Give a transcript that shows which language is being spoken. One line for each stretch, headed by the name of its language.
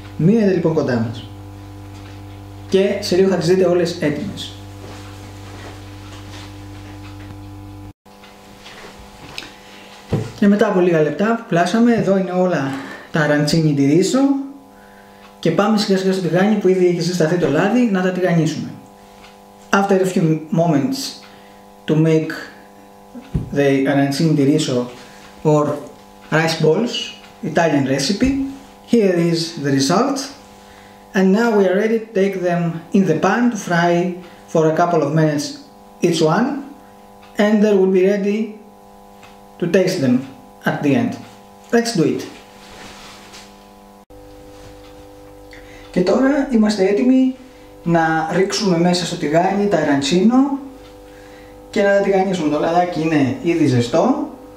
Greek: Μείνετε λοιπόν κοντά μας και σε λίγο θα τις δείτε όλες έτοιμες. Και μετά από λίγα λεπτά που πλάσαμε, εδώ είναι όλα τα αραντσίνι di riso και πάμε σιγά σιγά στο τηγάνι που ήδη έχει συσταθεί το λάδι να τα τηγανίσουμε.
English: After a few moments to make the αραντσίνι di riso or rice balls, Italian recipe, here is the result. And now we are ready to take them in the pan to fry for a couple of minutes each one and they will be ready to taste them at the end. Let's do it.
Greek: Και τώρα είμαστε έτοιμοι να ρίξουμε μέσα στο τηγάνι τα αραντσίνο και να τα τηγανίσουμε. Το λαδάκι είναι ήδη ζεστό.